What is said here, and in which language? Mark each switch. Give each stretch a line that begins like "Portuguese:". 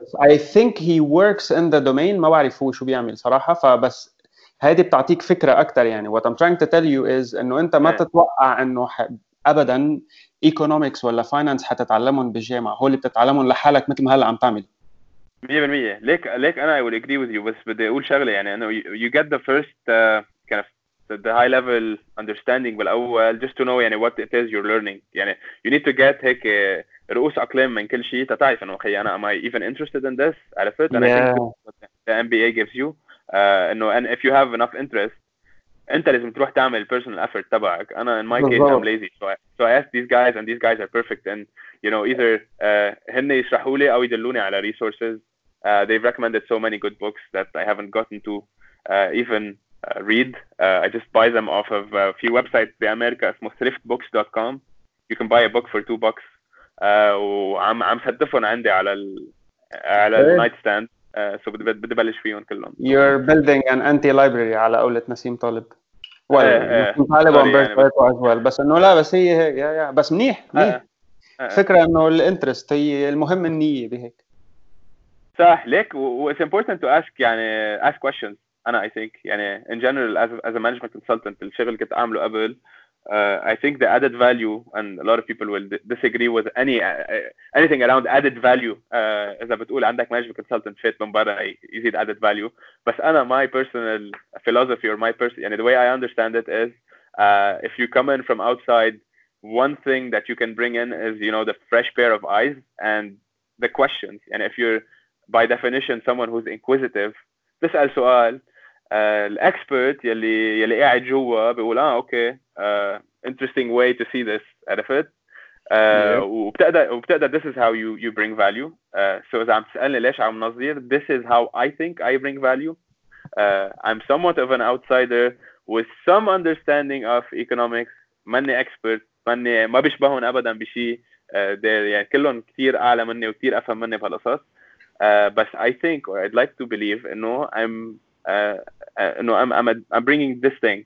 English: I think he works in the domain.
Arabic: ما بعرف هو شو بيعمل صراحة، فبس هذه بتعطيك فكرة أكتر. يعني
English: what I'm trying to tell you is
Arabic: إنه أنت ما تتوقع إنه أبدا economics ولا finance حتتعلمهم بالجامعة، هو اللي بتتعلمهم لحالك مثل ما هلا عم تعمل. 100%. ليك انا
English: I would agree with you،
Arabic: بس بدي اقول شغله. يعني انه
English: you get the first kind of the high level understanding
Arabic: بالاول،
English: just to know
Arabic: يعني
English: what it is you're learning.
Arabic: يعني
English: you need to get
Arabic: هيك رؤوس اقلام من كل شيء تتعرف انه اخي انا
English: am I even interested in this.
Arabic: عرفت؟
English: and I think Yeah. the MBA gives you
Arabic: انه
English: and if you have enough interest
Arabic: انت لازم تروح تعمل
English: personal effort
Arabic: تبعك. انا
English: in my case I'm
Arabic: بالضبط.
English: lazy، so I ask these guys and these guys are perfect and you know either
Arabic: هن يشرحوا لي او يدلوني على
English: resources. They've recommended so many good books that I haven't gotten to even read. I just buy them off of a few websites in America اسمه thriftbooks.com. You can buy a book for $2
Arabic: وعم صدفهم عندي على على النايتستاند. So بدي بلش فيهم كلهم.
English: You're building an anti-library
Arabic: على قولة
English: نسيم طالب. Well, نسيم طالب
Arabic: سوري وأمبرت يعني بس بيرتو
English: as well.
Arabic: بس إنه لا، بس هي هيك.
English: Yeah.
Arabic: بس منيح منيح. فكرة إنه الانترست هي المهم، النية بهيك. صح، ليك و
English: it's important to ask
Arabic: يعني
English: ask questions.
Arabic: أنا
English: I think
Arabic: يعني
English: in general as a management consultant
Arabic: الشغل كنت أعمله قبل
English: I think the added value and a lot of people will disagree with any anything around added value.
Arabic: إذا بتقول عندك management consultant فيت من برا يزيد added value. بس أنا
English: my personal philosophy or my person
Arabic: يعني
English: the way I understand it is if you come in from outside one thing that you can bring in is you know the fresh pair of eyes and the questions. And if you're by definition someone who's inquisitive
Arabic: بسأل سؤال الاكسبرت يلي قاعد جوا بيقول اه اوكي
English: interesting way to see this.
Arabic: عرفت؟ وبتقدر
English: this is how you bring value. So
Arabic: إذا عم تسألني ليش عم نظير
English: this is how I think I bring value. I'm somewhat of an outsider with some understanding of economics.
Arabic: ماني expert، ماني ما بيشبهون ابدا بشيء. يعني كلهم كثير اعلى مني وكثير افهم مني بهالقصص.
English: But I think or I'd like to believe I'm bringing this thing.